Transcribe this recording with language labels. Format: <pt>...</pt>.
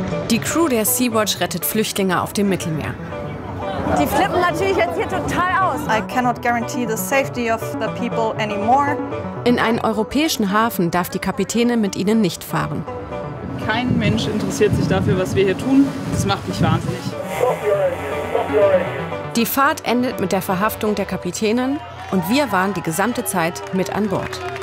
<de>Die Crew der Sea-Watch rettet Flüchtlinge auf dem Mittelmeer. Die flippen natürlich jetzt hier total aus.</de> <en>I cannot guarantee the safety of the people anymore.</en> <de>In einen europäischen Hafen darf die Kapitänin mit ihnen nicht fahren. Kein Mensch interessiert sich dafür, was wir hier tun. Das macht mich wahnsinnig. Die Fahrt endet mit der Verhaftung der Kapitänin und wir waren die gesamte Zeit mit an Bord.</de>